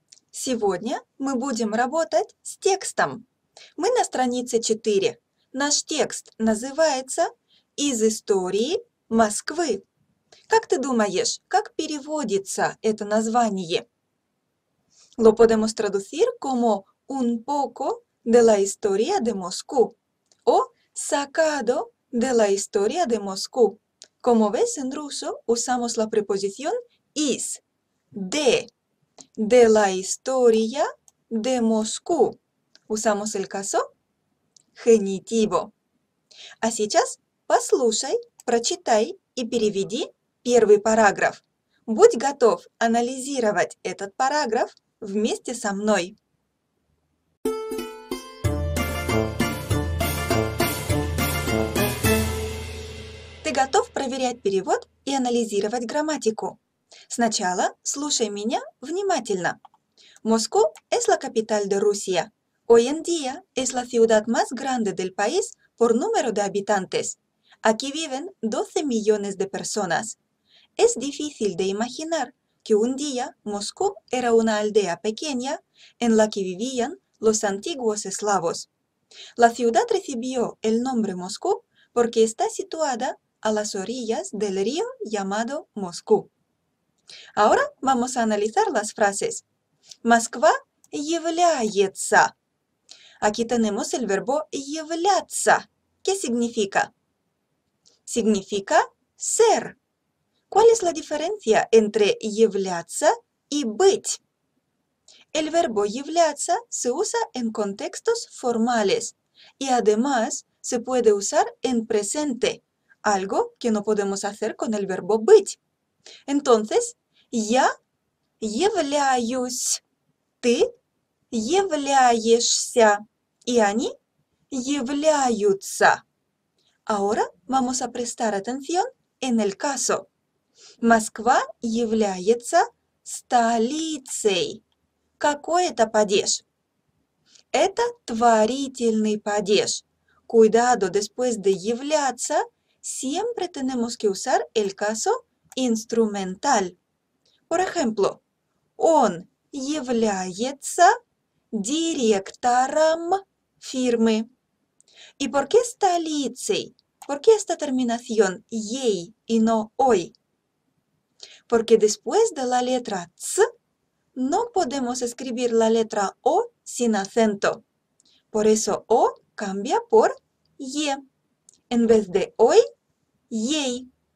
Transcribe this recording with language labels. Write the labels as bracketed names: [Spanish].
[Russian] Сегодня мы будем работать с текстом. Мы на странице 4. Наш текст называется «Из истории Москвы». Как ты думаешь, как переводится это название? [Spanish] Lo podemos traducir como «un poco de la historia de Moscú» o «sacado de la historia de Moscú». Como ves, en ruso usamos la preposición «из», «de», «de la historia de Moscú». Usamos el caso genitivo. [Russian] А сейчас послушай, прочитай и переведи первый параграф. Будь готов анализировать этот параграф вместе со мной. Ты готов проверять перевод и анализировать грамматику? Сначала слушай меня внимательно. [Spanish] Moscú es la capital de Rusia. Hoy en día es la ciudad más grande del país por número de habitantes. Aquí viven 12 millones de personas. Es difícil de imaginar que un día Moscú era una aldea pequeña en la que vivían los antiguos eslavos. La ciudad recibió el nombre Moscú porque está situada a las orillas del río llamado Moscú. Ahora vamos a analizar las frases. [Russian] Москва является. [Spanish] Aquí tenemos el verbo являться. ¿Qué significa? Significa ser. ¿Cuál es la diferencia entre являться y быть? El verbo являться se usa en contextos formales y además se puede usar en presente, algo que no podemos hacer con el verbo быть. Entonces, [Russian] я являюсь, ты являешься. И они являются. [Spanish] Ahora vamos a prestar atención en el caso. [Russian] Москва является столицей. Какой это падеж? Это творительный падеж. [Spanish] Cuidado, después de являться, siempre tenemos que usar el caso instrumental. Por ejemplo, [Russian] он является директором фирмы. [Spanish] И por qué столицей? Por qué esta terminación ей y no ой? Porque después de la letra ц no podemos escribir la letra о sin acento. Por eso о cambia por е. En vez de ой, ей.